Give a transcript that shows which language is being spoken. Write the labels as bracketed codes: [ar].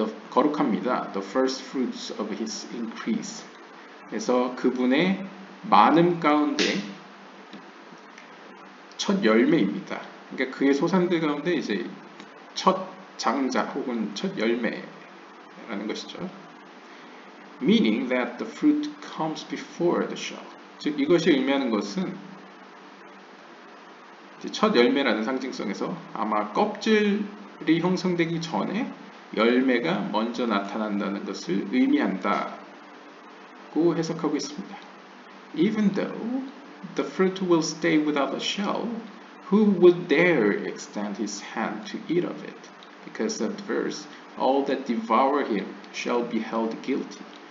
[ko] 거룩합니다. [en] The first fruits of His increase. [ko] 그래서 그분의 많음 가운데 첫 열매입니다. 그러니까 그의 소산들 가운데 이제 첫 장자 혹은 첫 열매라는 것이죠. [en] Meaning that the fruit comes before the shell. [ko] 즉 이것이 의미하는 것은 이제 첫 열매라는 상징성에서 아마 껍질이 형성되기 전에 열매가 먼저 나타난다는 것을 의미한다고 해석하고 있습니다. [en] Even though the fruit will stay without a shell, who would dare extend his hand to eat of it? Because of the verse, all that devour him shall be held guilty.